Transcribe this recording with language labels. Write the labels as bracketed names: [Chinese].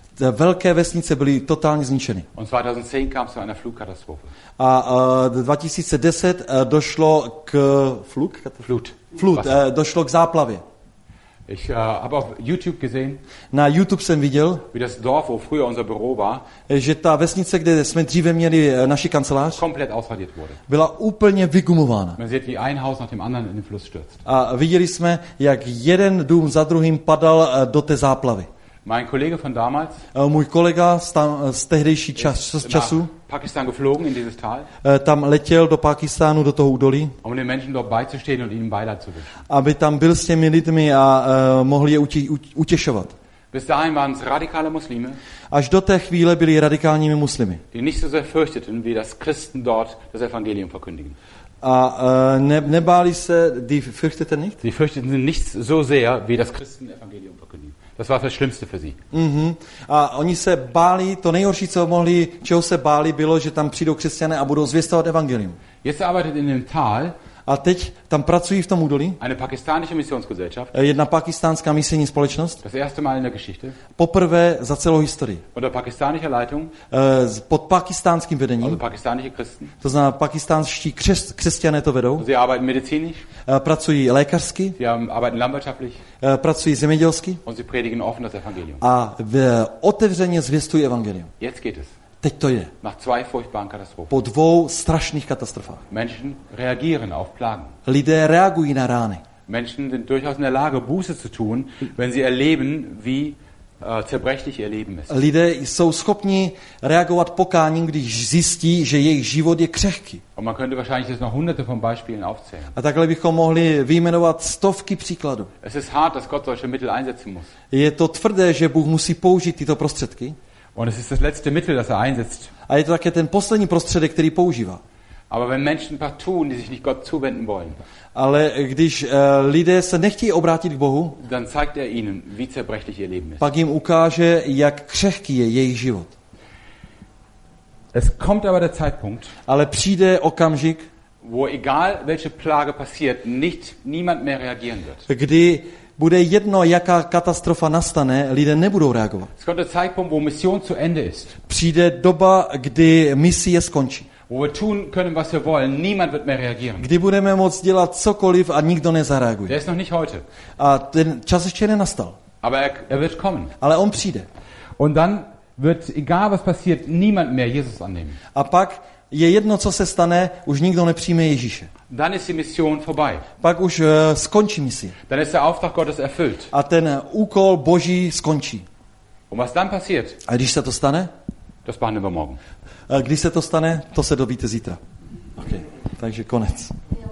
[Czech] Velké vesnice byly totálně zničeny. [German] Und 2010 kam es zu einer Flugkatastrophe. [Czech] A 2010 došlo k [German] Flut. [Czech] Došlo k záplavě. [German] Ich habe auf YouTube gesehen. [Czech] Na YouTube jsem viděl, [German] wie das Dorf, wo früher unser Büro war, [Czech] že ta vesnice, kde jsme dříve měli naši kancelář, [German] komplett ausradiert wurde. [Czech] Byla úplně vygumována. [German] Man sieht, wie ein Haus nach dem anderen in den Fluss stürzt. [Czech] A viděli jsme, jak jeden dům za druhým padal do té záplavy. [German] Mein Kollege von damals. [Czech] Můj kolega z tehdejší času. [German] Pakistan geflogen in dieses Tal. [Czech] Tam letěl do Pakistánu do toho údolí. [German] Um den Menschen dort beizustehen und ihnen Beileid zu wünschen. [Czech] Aby tam byl s těmi lidmi a mohli je utěšovat. [German] Bis dahin waren es radikale Muslime. [Czech] Až do té chvíle byli radikálními muslimy. [German] Die nicht so sehr fürchteten, wie das Christen dort das Evangelium verkündigen. [Czech] A nebáli se, [German] die fürchteten nicht? Die fürchteten nicht so sehr, wie das Christen Evangelium verkündigen. Das war das Schlimmste für sie. Mm-hmm. [Czech] A oni se báli, to nejhorší, čeho se báli, bylo, že tam přijdou křesťané a budou zvěstovat evangelium. [German] Jetzt arbeitet in dem Tal. [Czech] A teď tam pracují v tom údolí. [German] Eine pakistanische Missionsgesellschaft. [Czech] Jedna pakistánská misijní společnost. [German] Das erste Mal in der Geschichte. [Czech] Poprvé za celou historii. [German] Unter pakistanischer Leitung. [Czech] Pod pakistánským vedením. [German] Also pakistanische Christen. [Czech] To znamená pakistánští křesťané to vedou. [German] Sie arbeiten medizinisch. [Czech] Pracují lékařsky. [German] Sie arbeiten landwirtschaftlich. [Czech] Pracují zemědělsky. [German] Und sie predigen offen das Evangelium. [Czech] A otevřeně zvěstují evangelium. [German] Jetzt geht es. [Czech] Teď to je. [German] Nach zwei furchtbaren Katastrophen. [Czech] Po dvou strašných katastrofách. [German] Menschen reagieren auf Plagen. [Czech] Lidé reagují na rány. [German] Menschen sind durchaus in der Lage, Buße zu tun, wenn sie erleben, wie zerbrechlich ihr Leben ist. [Czech] Lidé jsou schopni reagovat pokáním, když zjistí, že jejich život je křehký. [German] Und man könnte wahrscheinlich jetzt noch hunderte von Beispielen aufzählen. [Czech] A takhle bychom mohli vyjmenovat stovky příkladů. [German] Es ist hart, dass Gott solche Mittel einsetzen muss. [Czech] Je to tvrdé, že Bůh musí použít tyto prostředky. [German] Und es ist das letzte Mittel, das er einsetzt. [Czech] A je to také ten poslední prostředek, který používá. [German] Aber wenn Menschen partout, die sich nicht Gott zuwenden wollen, [Czech] ale když lidé se nechtějí obrátit k Bohu, [German] dann zeigt er ihnen, wie zerbrechlich ihr Leben ist. [Czech] Pak jim ukáže, jak křehký je jejich život. [German] Es kommt aber der Zeitpunkt, [Czech] ale přijde okamžik, [German] wo egal welche Plage passiert, niemand mehr reagieren wird. [Czech] Kdy bude jedno, jaká katastrofa nastane, lidé nebudou reagovat. [German] Es kommt der Zeitpunkt, wo Mission zu Ende ist. [Czech] Přijde doba, kdy misie skončí. [German] Wo wir tun können, was wir wollen, niemand wird mehr reagieren. [Czech] Kdy budeme moct dělat cokoliv a nikdo nezareaguje. [German] Der ist noch nicht heute. [Czech] A ten čas ještě nenastal. [German] Aber er wird kommen. [Czech] Ale on přijde. [German] Und dann wird, egal was passiert, niemand mehr Jesus annehmen. [Czech] A pak je jedno, co se stane, už nikdo nepřijme Ježíše. [German] Dann ist die Mission vorbei. [Czech] Pak už skončí misie. [German] Dann ist der Auftrag Gottes erfüllt. [Czech] A ten úkol Boží skončí. [German] Und was dann passiert? [Czech] A když se to stane? [German] Das behandeln wir morgen. [Czech] Když se to stane, to se dovíte zítra. Okay. Takže konec.